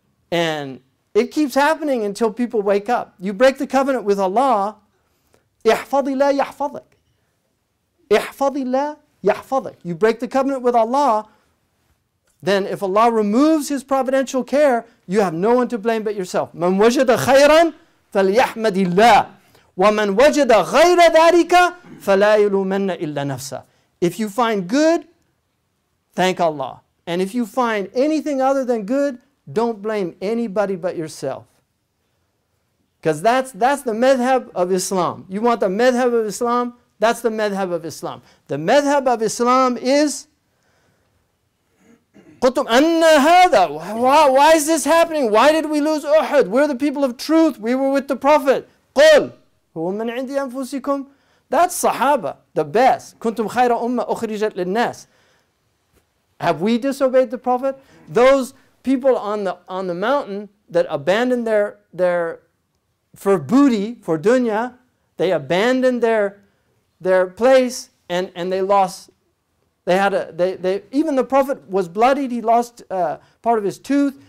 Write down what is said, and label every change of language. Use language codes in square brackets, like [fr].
[en] And it keeps happening until people wake up. You break the covenant with Allah, [ar] احفظ الله يحفظك. احفظ الله يحفظك. [en] You break the covenant with Allah, then if Allah removes His providential care, you have no one to blame but yourself. [ar] من وجد خيرا فليحمد الله ومن وجد غير ذلك فلا يلومن إلا نفسه. [en] If you find good, thank Allah. And if you find anything other than good, don't blame anybody but yourself. Because that's the madhab of Islam. You want the madhab of Islam? That's the madhab of Islam. The madhab of Islam is, why is this happening? Why did we lose Uhud? We're the people of truth. We were with the Prophet. [ar] قل هو من عند أنفسكم. [en] That's Sahaba, the best. [ar] كنتم خير أمة أخرجت للناس. [en] Have we disobeyed the Prophet? Those people on the mountain that abandoned their for booty, for dunya, they abandoned their place and they lost. They even the Prophet was bloodied. He lost part of his tooth.